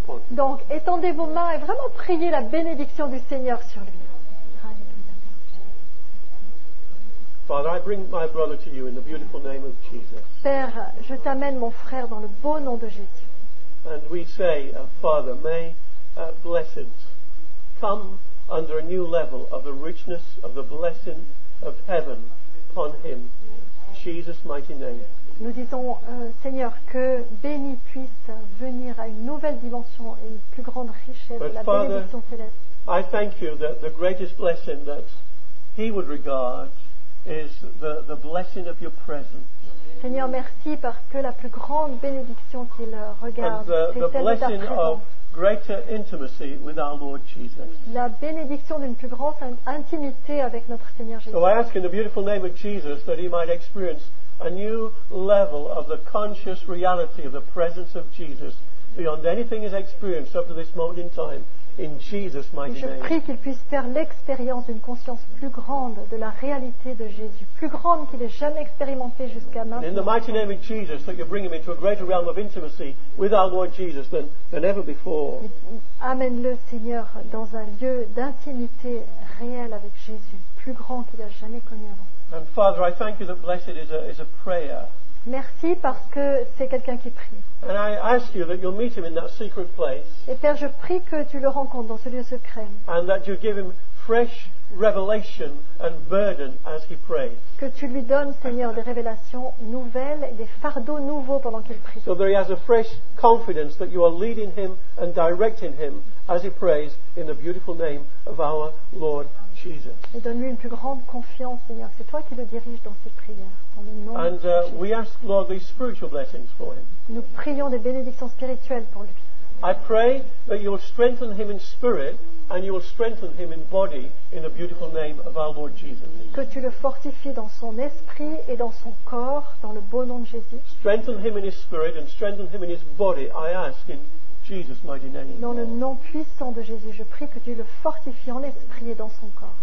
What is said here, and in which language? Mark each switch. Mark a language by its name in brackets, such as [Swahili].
[French] Donc, étendez vos mains et vraiment priez la bénédiction du Seigneur sur lui. [English] Father, I bring my brother to you in the beautiful name of Jesus. [French] Père, je t'amène mon frère dans le beau nom de Jésus. [English] And we say, Father, may blessings come under a new level of the richness of the blessing of heaven upon him. Jesus' mighty name. [French] Nous disons, Seigneur, que béni puisse venir à une nouvelle dimension et une plus grande richesse [English] but [French] de la [English] Father, [French] bénédiction céleste. [English] I thank you that the greatest blessing that he would regard is the blessing of your presence. [French] Seigneur, merci parce que la plus grande bénédiction qu'il regarde, c'est celle de ta présence. [English] And the blessing of greater intimacy with our Lord Jesus. [French] La bénédiction d'une plus grande intimité avec notre Seigneur Jésus. [English] So I ask in the beautiful name of Jesus that he might experience a new level of the conscious reality of the presence of Jesus beyond anything he's experienced up to this moment in time. In Jesus' mighty name. [French] Je prie qu'il puisse faire l'expérience d'une conscience plus grande de la réalité de Jésus, plus grande qu'il ait jamais expérimentée jusqu'à maintenant. [English] In the mighty name of Jesus, that you bring him into a greater realm of intimacy with our Lord Jesus than ever before. [French] Amène-le, Seigneur, dans un lieu d'intimité réelle avec Jésus, plus grand qu'il a jamais connu avant. [English] And Father, I thank you that blessed is a prayer. [French] Merci parce que c'est quelqu'un qui prie. [English] And I ask you that you'll meet him in that secret place. [French] Et Père, je prie que tu le rencontres dans ce lieu secret. [English] And that you give him fresh revelation and burden as he prays. [French] Que tu lui donnes, Seigneur, des révélations nouvelles et des fardeaux nouveaux pendant qu'il prie. [English] So that he has a fresh confidence that you are leading him and directing him as he prays in the beautiful name of our Lord Jesus. [French] Et donne-lui une plus grande confiance, Seigneur. C'est toi qui le diriges dans ses prières. [English] And we ask, Lord, these spiritual blessings for him. [French] Nous prions des bénédictions spirituelles pour lui. [English] I pray that you will strengthen him in spirit and you will strengthen him in body in the beautiful name of our Lord Jesus. [French] Que tu le fortifies dans son esprit et dans son corps dans le beau nom de Jésus. [English] Strengthen him in his spirit and strengthen him in his body, I ask in Jesus' mighty name. [French] Dans le nom puissant de Jésus, je prie que tu le fortifies en esprit et dans son corps.